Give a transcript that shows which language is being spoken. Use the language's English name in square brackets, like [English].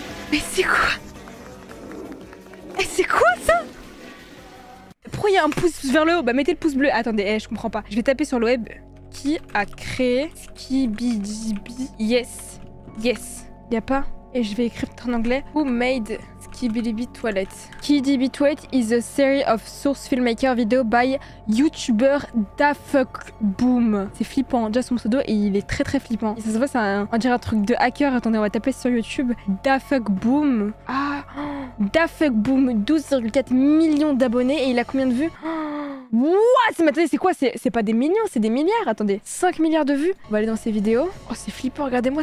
[French] Mais c'est quoi? Et c'est quoi ça? Pourquoi il y a un pouce vers le haut? Bah mettez le pouce bleu. Attendez, je comprends pas. Je vais taper sur le web. Qui a créé Skibidibi? Yes. Yes. Il n'y a pas? Et je vais écrire en anglais. [English] Who made... KBDB Toilette. KBDB Toilette is a series of source filmmaker video by YouTuber DaFuckBoom. [French] C'est flippant. Déjà son pseudo et il est très très flippant. Et ça se voit, c'est on dirait un truc de hacker. Attendez, on va taper sur YouTube. DaFuckBoom. Ah, DaFuckBoom, 12,4 millions d'abonnés et il a combien de vues? [English] What? [French] Mais attendez, c'est quoi? C'est pas des millions, c'est des milliards. Attendez, 5 milliards de vues. On va aller dans ses vidéos. Oh, c'est flippant, regardez-moi.